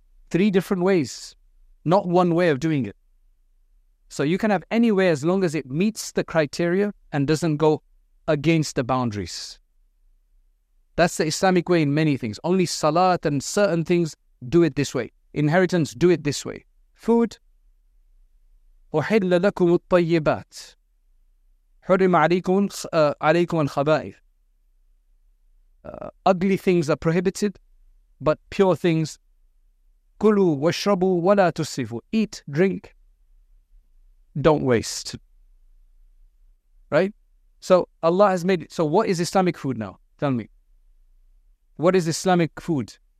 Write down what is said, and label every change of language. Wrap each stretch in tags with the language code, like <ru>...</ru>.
<en>Three different ways, not one way of doing it. So you can have any way as long as it meets the criteria and doesn't go against the boundaries. That's the Islamic way in many things. Only salat and certain things, do it this way. Inheritance, do it this way.</en> <ar>Food, أُحِلَّ لَكُمُ الطَّيِّبَاتِ حُرِمَ عَلَيْكُمُ الْخَبَائِثِ.</ar> <en>Ugly things are prohibited, but pure things,</en> <ar>كُلُوا وَشْرَبُوا وَلَا تُسْرِفُوا.</ar> <en>Eat, drink, don't waste. Right? So Allah has made it. So what is Islamic food now? Tell me. What is Islamic food?</en>